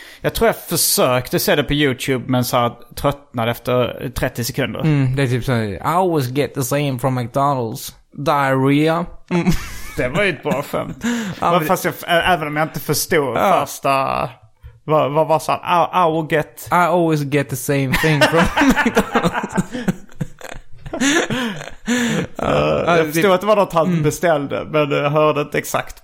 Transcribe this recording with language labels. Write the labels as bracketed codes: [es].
[sv] Jag tror jag försökte se det på YouTube, men så här, tröttnade efter 30 sekunder. Det är typ så här, [en] I always get the same from McDonald's. Diarrhea. [sv] Det var ju ett bra skämt. Fast jag, även om jag inte förstod första... Vad var så? [en] I always get the same thing from McDonald's. [sv] Jag förstod att det var något han beställde, men jag hörde inte exakt.